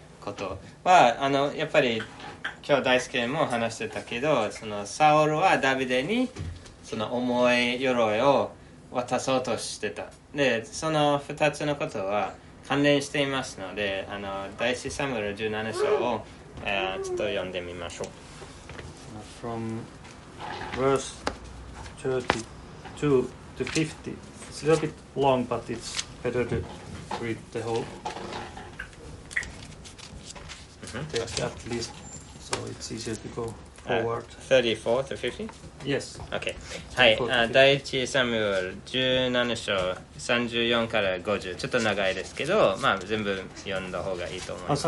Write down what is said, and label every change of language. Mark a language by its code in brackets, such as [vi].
[ja] ことはやっぱり今日大輔も話してたけど、そのサウルはダビデにその重い鎧を渡そうとしてた。でその2つのことは関連していますので、第一サムエル17章をちょっと読んでみましょう。 [en] From verse 32 to 50 it's a little bit long but it's better to read the whole. At least, so it's easier to go forward. 34 to 50? Yes. Okay. 34 to 50. [ja] 第一サムエル17章34から50。ちょっと長いですけど、全部読んだ方がいいと思います。